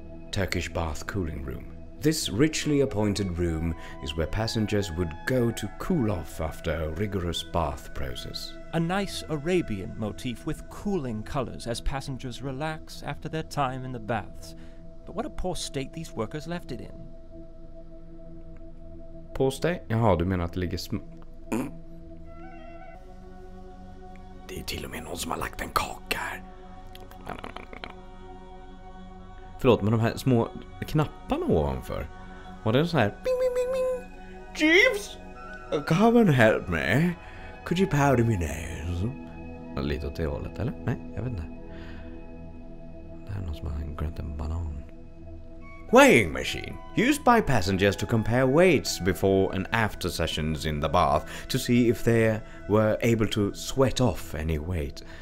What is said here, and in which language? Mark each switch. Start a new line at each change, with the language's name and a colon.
English: Turkish bath cooling room. This richly appointed room is where passengers would go to cool off after a rigorous bath process. A nice Arabian motif with cooling colors as passengers relax after their time in the baths. But what a poor state these workers left it in. Poor state?
Swedish: Jaha, du menar att det ligger sm... Det är till och med någon som har lagt en kaka här. Förlåt, men de här små knapparna ovanför. Var det så här? Bing, bing, bing, bing.
English: Jeeves! Come and help me. Could you powder my nails?
Swedish: Lite åt det hållet, eller? Nej, jag vet inte. Det här är någon som har grönt en banan.
English: Weighing machine. Used by passengers to compare weights before and after sessions in the bath to see if they were able to sweat off any weight.